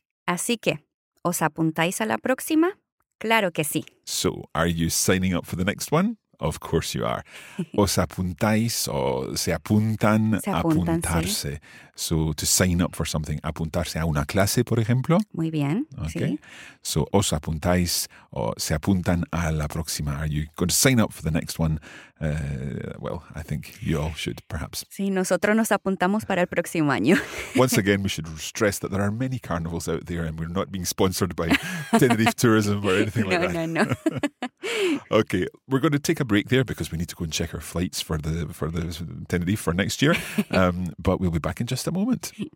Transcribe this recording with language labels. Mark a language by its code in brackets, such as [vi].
[es] Así que, ¿os apuntáis a la próxima? Claro que sí. [en] So, are you signing up for the next one? Of course you are. [es] Os apuntáis o se apuntan, apuntarse. Sí. [en] So to sign up for something, [es] apuntarse a una clase, por ejemplo. Muy bien, okay. Sí. [en] So [es] os apuntáis o se apuntan a la próxima. [en] Are you going to sign up for the next one? Well, I think you all should, perhaps. [es] Sí, nosotros nos apuntamos para el próximo año. [en] Once again, we should stress that there are many carnivals out there and we're not being sponsored by Tenerife Tourism or anything like that. [es] No. [en] Okay, we're going to take a break there because we need to go and check our flights for the Tenerife for next year. But we'll be back in just a moment.